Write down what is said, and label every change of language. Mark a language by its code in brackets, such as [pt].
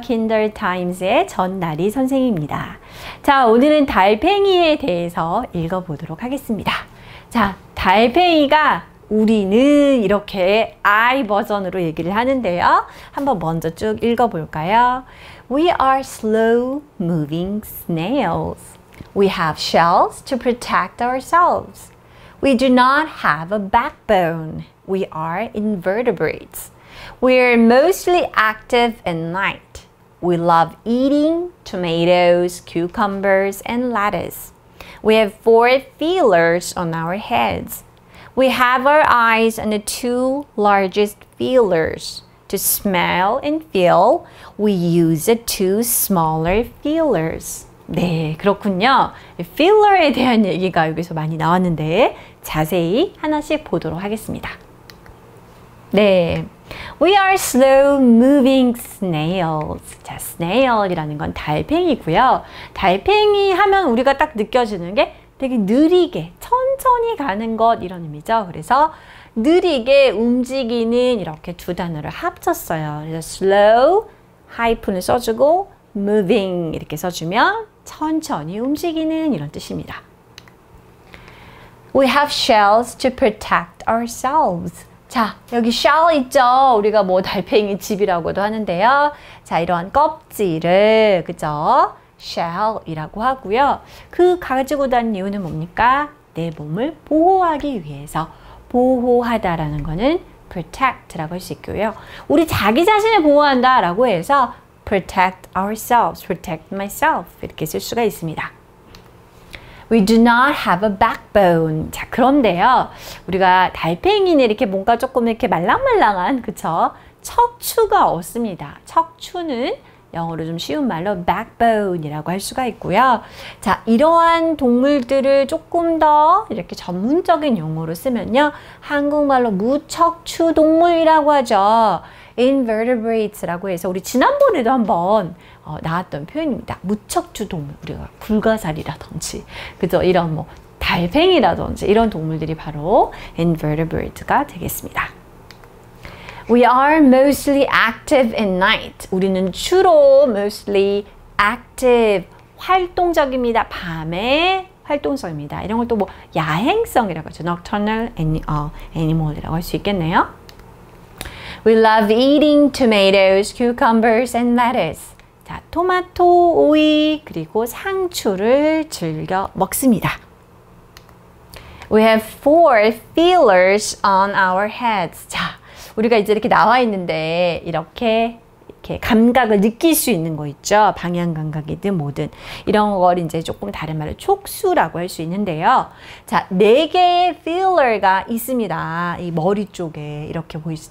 [ko] Kindle Times의 전나리 선생입니다. 자, 오늘은 달팽이에 대해서 읽어보도록 하겠습니다. 자, 달팽이가 우리는 이렇게 I 버전으로 얘기를 하는데요. 한번 먼저 쭉 읽어볼까요? [en] We are slow moving snails. We have shells to protect ourselves. We do not have a backbone. We are invertebrates. We are mostly active at night. We love eating tomatoes, cucumbers, and lettuce. We have four feelers on our heads. We have our eyes on the two largest feelers. To smell and feel, we use the two smaller feelers. [ko] 네, 그렇군요. Feeler에 대한 얘기가 여기서 많이 나왔는데 자세히 하나씩 보도록 하겠습니다. 네. [en] We are slow moving snails. [ko] 자, snail이라는 건 달팽이고요. 달팽이 하면 우리가 딱 느껴지는 게 되게 느리게, 천천히 가는 것 이런 의미죠. 그래서 느리게 움직이는 이렇게 두 단어를 합쳤어요. 그래서 slow, 하이픈을 써주고 moving 이렇게 써주면 천천히 움직이는 이런 뜻입니다. [en] We have shells to protect ourselves. [ko] 자, 여기 shell 있죠? 우리가 뭐 달팽이 집이라고도 하는데요. 자, 이러한 껍질을, 그죠? shell이라고 하고요. 그 가지고 다니는 이유는 뭡니까? 내 몸을 보호하기 위해서. 보호하다라는 거는 protect라고 할 수 있고요. 우리 자기 자신을 보호한다라고 해서 [en] protect ourselves, protect myself [ko] 이렇게 쓸 수가 있습니다. [en] We do not have a backbone. [ko] 자, 그런데요. 우리가 달팽이는 이렇게 뭔가 조금 이렇게 말랑말랑한, 그쵸? 척추가 없습니다. 척추는 영어로 좀 쉬운 말로 backbone이라고 할 수가 있고요. 자, 이러한 동물들을 조금 더 이렇게 전문적인 용어로 쓰면요. 한국말로 무척추 동물이라고 하죠. invertebrates라고 해서 우리 지난번에도 한번 나왔던 표현입니다. 무척추 동물, 우리가 불가사리라든지, 그죠? 이런 뭐 달팽이라든지 이런 동물들이 바로 invertebrates가 되겠습니다. [en] We are mostly active at night. [ko] 우리는 주로 [en] mostly active, [ko] 활동적입니다. 밤에 활동성입니다. 이런 걸 또 뭐 야행성이라고 하죠. nocturnal animal이라고 할 수 있겠네요. [en] We love eating tomatoes, cucumbers, and lettuce. [ko] 자, 토마토, 오이, 그리고 상추를 즐겨 먹습니다. [en] We have four feelers on our heads. [ko] 자, 우리가 이제 이렇게 나와 있는데 이렇게 감각을 느낄 수 있는 거 있죠? 방향 감각이든 뭐든 이런 걸 이제 조금 다른 말로 촉수라고 할 수 있는데요. 자, 네 개의 feeler가 있습니다. 이 머리 쪽에 이렇게 보이죠?